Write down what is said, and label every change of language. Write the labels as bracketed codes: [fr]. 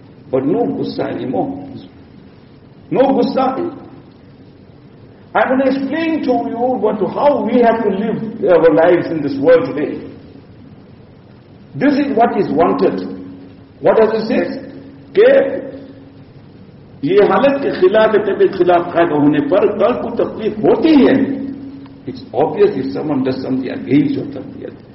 [en] But no gussa anymore. No gussa anymore. I'm going to explain to you what how we have to live our lives in this world today. This is what is wanted. What does it say? Ke [ur] یہ حالت کے خلاف طبیعت خلاف قائد ہونے پر قلب کو تکلیف ہوتی ہے. [en] It's obvious if someone does something against your tabiyat.